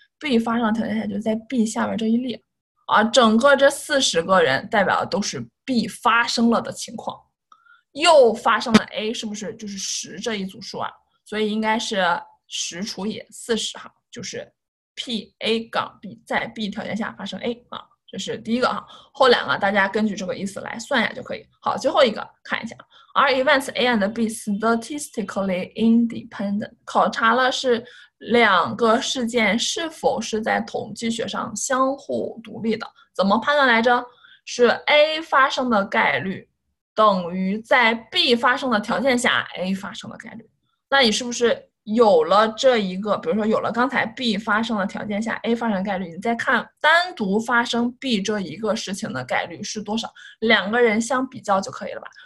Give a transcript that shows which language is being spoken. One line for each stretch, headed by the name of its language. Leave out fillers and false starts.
Chinese: B 发生的条件下就在 B 下面这一列啊，整个这40个人代表的都是 B 发生了的情况，又发生了 A， 是不是就是10这一组数啊？所以应该是10除以40哈，就是PA 杠 B 在 B 条件下发生 A 啊，这是第一个哈，后两个大家根据这个意思来算一下就可以。好，最后一个看一下
English: ，Are events A and B statistically independent？
Chinese: 考察了是两个事件是否是在统计学上相互独立的，怎么判断来着？是 A 发生的概率等于在 B 发生的条件下 A 发生的概率，那你是不是？有了这一个，比如说有了刚才 B 发生的条件下 A 发生的概率，你再看单独发生 B 这一个事情的概率是多少，两个人相比较就可以了吧。